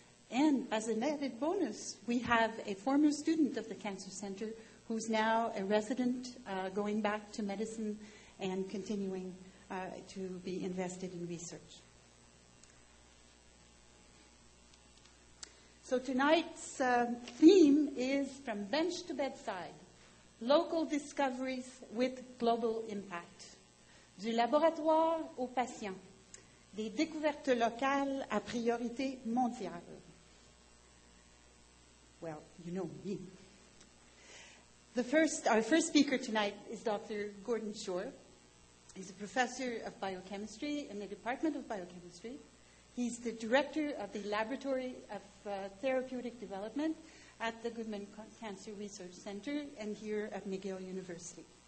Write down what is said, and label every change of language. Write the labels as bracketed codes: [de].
[en] And as an added bonus, we have a former student of the Cancer Center who's now a resident going back to medicine and continuing to be invested in research. So tonight's theme is From Bench to Bedside, Local Discoveries with Global Impact. [fr] Du laboratoire au patient, des découvertes locales à priorité mondiale. [en] Well, you know me. Our first speaker tonight is Dr. Gordon Shore. He's a professor of biochemistry in the Department of Biochemistry. He's the director of the Laboratory of Therapeutic Development at the Goodman Cancer Research Center and here at McGill University.